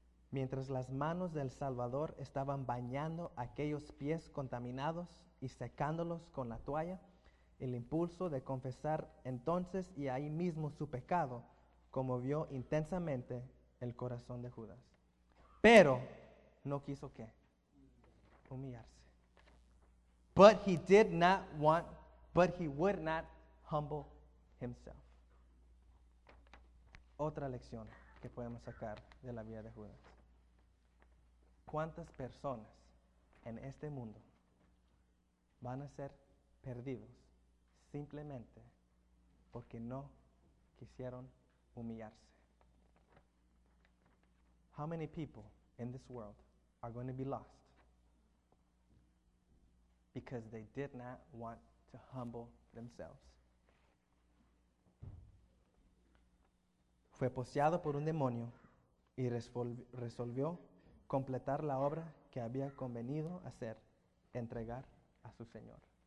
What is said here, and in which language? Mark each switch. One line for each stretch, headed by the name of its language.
Spanish: Mientras las manos del Salvador estaban bañando aquellos pies contaminados y secándolos con la toalla, el impulso de confesar entonces y ahí mismo su pecado conmovió intensamente el corazón de Judas. Pero no quiso ¿qué? Humillarse.
English: But he did not want, but he would not humble himself.
Spanish: Otra lección que podemos sacar de la vida de Judas. ¿Cuántas personas en este mundo van a ser perdidos simplemente porque no quisieron humillarse?
English: How many people in this world are going to be lost because they did not want to humble themselves?
Spanish: Fue poseado por un demonio y resolvió completar la obra que había convenido hacer, entregar a su Señor.